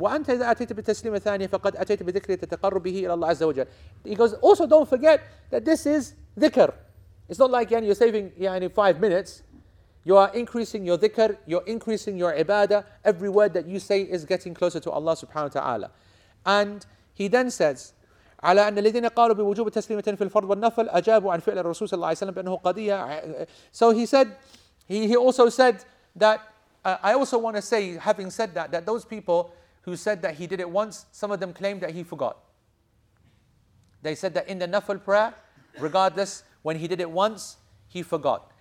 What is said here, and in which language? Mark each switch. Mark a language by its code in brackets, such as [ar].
[ar] وَأَنْتَ إِذَا أَتَيْتَ بِتَسْلِيمِ ثَانِيَ فَقَدْ أَتَيْتَ بِذِكْرِ تَتَقَرُّ بِهِ إِلَى اللَّهِ عَزَّ وَجَلَّ. [en] He goes, also don't forget that this is dhikr. It's not like you're saving 5 minutes. You are increasing your dhikr, you're increasing your ibadah. Every word that you say is getting closer to Allah subhanahu wa ta'ala. And he then says, [ar] على أن الذين قالوا بوجوب التسليمة في الفرض والنفل أجابوا عن فعل الرسول صلى الله عليه وسلم بأنه قضية. [en] So he said, he also said that, I also want to say, having said that, that those people who said that he did it once, some of them claimed that he forgot. They said that in the nafl prayer, regardless, when he did it once, he forgot.